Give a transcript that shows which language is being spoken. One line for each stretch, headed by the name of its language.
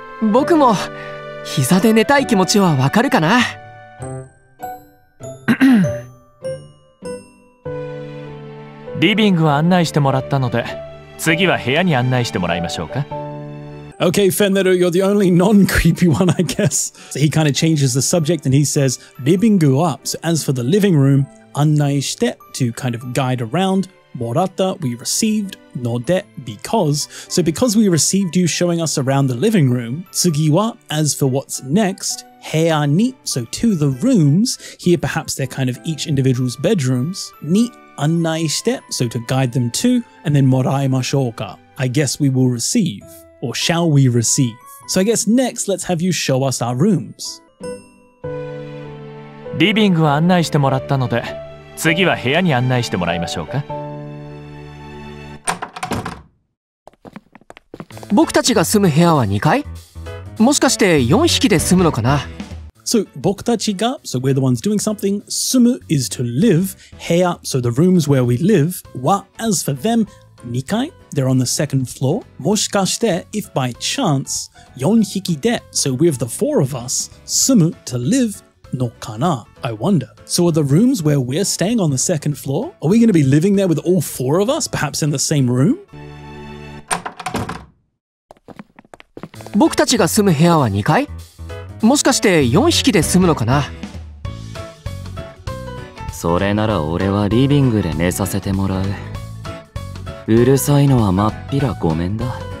Japanese: 僕も膝で寝たい気持ちはわかるかな。リビングは案内してもらったので、次は部屋に案内してもらいましょうか。
English: Okay, Fenneru, you're the only non-creepy one, I guess. So he kind of changes the subject and he says, Ribbingu up. So as for the living room, annai shite, to kind of guide around. Moratta, we received. Node, because. So because we received you showing us around the living room, tsugi wa, as for what's next, heya ni, so to the rooms, here perhaps they're kind of each individual's bedrooms, ni annai shite, so to guide them to, and then
Japanese: moraimashou ka,
English: I guess we will receive. Or shall we receive? So I guess next, let's have you show us our rooms.
Japanese: Living は案内してもらったので、次は部屋に案内してもらいましょうか。僕たちが住む部屋は2階？もしかして4匹で住むのかな？
English: So, 僕たちが、so we're the ones doing something, 住む is to live, 部屋、so the rooms where we live, は、as for them,2階? They're on the second floor. もしかして, if by chance, 4匹で, so with the four of us, 住む, to live, のかな?I wonder. So are the rooms where we're staying on the second floor? Are we going to be living there with all four of us, perhaps in the same room?
Japanese: 僕たちが住む部屋は2階?もしかして4匹で住むのかな? それなら俺はリビングで寝させてもらう。うるさいのはまっぴらごめんだ。